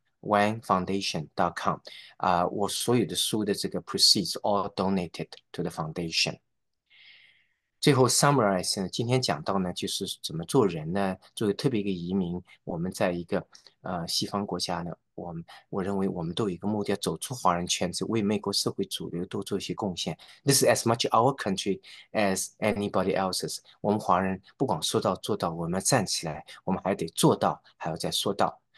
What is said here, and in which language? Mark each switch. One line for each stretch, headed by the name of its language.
Chinese: wangfoundation.com，我所有的书的这个
English: proceeds all donated to the foundation。
Chinese: 最后 summarize 呢，今天讲到呢，就是怎么做人呢？作为特别一个移民，我们在一个西方国家呢，我认为我们都有一个目的，要走出华人圈子，为美国社会主流多做一些贡献。
English: This is as much our country as anybody else's。
Chinese: 我们华人不光说到做到，我们要站起来，我们还得做到，还要再说到。